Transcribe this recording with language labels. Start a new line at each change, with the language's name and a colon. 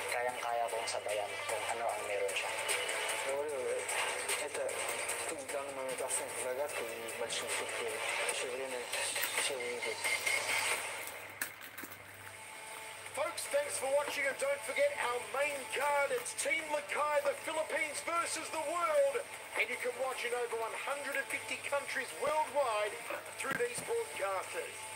Filipino: Kayang-kaya kong sabayan kung ano ang meron siya.
Russian: Это тут в данный момент основная загадка и большой сюрприз. Еще время, все увидит.
English: Folks, thanks for watching, and don't forget our main card. It's Team Lakay, the Philippines versus the world. And you can watch in over 150 countries worldwide through these broadcasters.